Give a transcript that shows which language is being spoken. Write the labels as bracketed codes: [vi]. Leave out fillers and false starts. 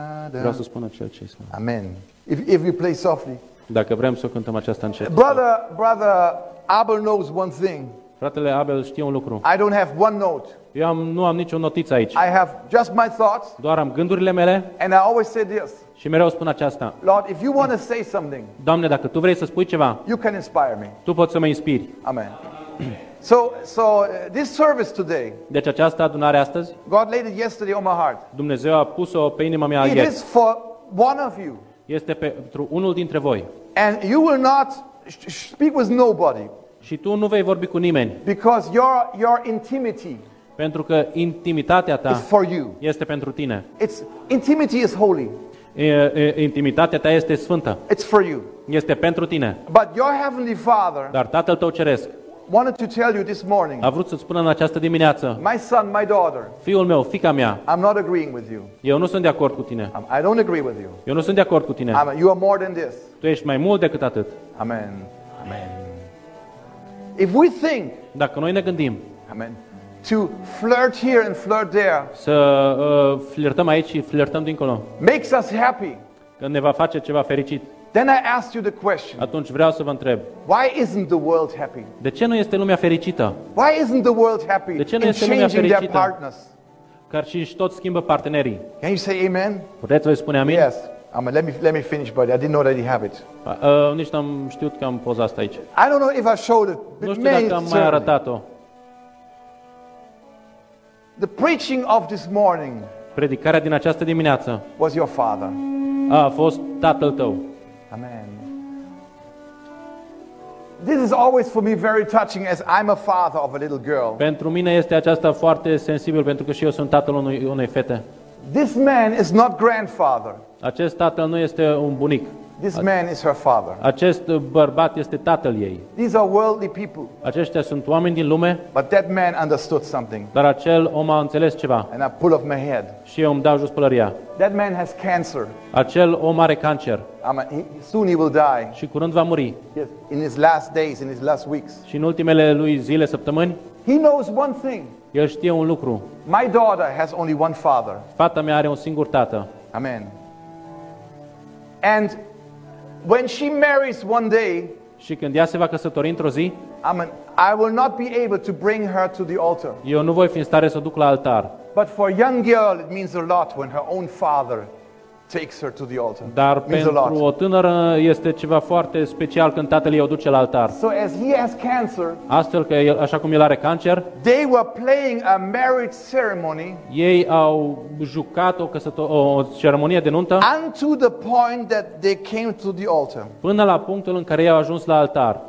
[ro] Vreau să spun acel ce-i spun. [en] Amen. If we play softly. [ro] Dacă vrem să o cântăm aceasta încet. [en] Brother Abel knows one thing. [ro] Fratele Abel știe un lucru. [en] I don't have one note. [ro] Nu am nicio notiță aici. [en] I have just my thoughts. [ro] Doar am gândurile mele. [en] And I always say this. [ro] Și mereu spun aceasta. [en] Lord, if you want to say something. [ro] Doamne, dacă tu vrei să spui ceva. [en] You can inspire me. [ro] Tu poți să mă inspiri. [en] Amen. So this service today. [ro] Deci această adunare astăzi. [en] God laid it yesterday on my heart. [ro] Dumnezeu a pus-o pe inima mea ieri. [en] It is for one of you. [ro] Este pentru unul dintre voi. [en] And you will not speak with nobody. [ro] Și tu nu vei vorbi cu nimeni. [en] Because your intimacy. [ro] Pentru că intimitatea ta [en] is for you. [ro] Este pentru tine. [en] It's intimacy is holy. [ro] Intimitatea ta este sfântă. [en] It's for you. [ro] Este pentru tine. [en] But your heavenly Father. [ro] Dar Tatăl tău ceresc. [en] Wanted to tell you this morning. [ro] A vrut să-ți spun în această dimineață. [en] My son, my daughter. [ro] Fiul meu, fiica mea. [en] I'm not agreeing with you. [ro] Eu nu sunt de acord cu tine. [en] I don't agree with you. [ro] Eu nu sunt de acord cu tine. [en] You are more than this. [ro] Tu ești mai mult decât atât. [en] Amen. Amen. If we think. [ro] Dacă noi ne gândim. [en] Amen. To flirt here and flirt there. [ro] Să flirtăm aici și flirtăm dincolo. [en] Makes us happy. [ro] Când ne va face ceva fericit. [en] Then I ask you the question. [ro] Atunci vreau să vă întreb. [en] Why isn't the world happy? [ro] De ce nu este lumea fericită? [en] Why isn't the world happy? [ro] De ce nu este lumea fericită? Căci și toți schimbă partenerii. [en] Can you say amen? [ro] Puteți voi spune amin? [en] Yes. Let me finish, buddy. I didn't know that you have it. [ro] Nici n-am știut că am poza asta aici. [en] I don't know if I showed it. [ro] Nu știu dacă am mai arătat-o. [en] The preaching of this morning. [ro] Predicarea din această dimineață. [en] Was your father? [ro] A fost tatăl tău. [en] Amen. This is always for me very touching as I'm a father of a little girl. [ro] Pentru mine este aceasta foarte sensibil pentru că și eu sunt tatăl unei fete. [en] This man is not grandfather. [ro] Acest tatăl nu este un bunic. [en] This man is her father. [ro] Acest bărbat este tatăl ei. [en] These are worldly people. [ro] Aceștia sunt oameni din lume. [en] But that man understood something. [ro] Dar acel om a înțeles ceva. [en] And I pull off my head. [ro] Și eu îmi dau jos pălăria. [en] That man has cancer. [ro] Acel om are cancer. [en] Soon he will die. [ro] Și curând va muri. [en] Yes, in his last days, in his last weeks. [ro] Și în ultimele lui zile, săptămâni. [en] He knows one thing. [ro] El știe un lucru. [en] My daughter has only one father. [ro] Fata mea are un singur tată. [en] Amen. And when she marries one day, [ro] și când ea se va căsători într-o zi, [en] amen, I will not be able to bring her to the altar. [ro] Eu nu voi fi în stare să o duc la altar. [en] But for a young girl, it means a lot when her own father takes her to the altar. [ro] Dar pentru o tânără este ceva foarte special când tatăl ei o duce la altar. [en] So as he has cancer, [ro] astfel că el, așa cum el are cancer, [en] they were playing a marriage ceremony. [ro] Ei au jucat o ceremonie de nuntă. [en] Unto the point that they came to the altar. [ro] Până la punctul în care ei au ajuns la altar.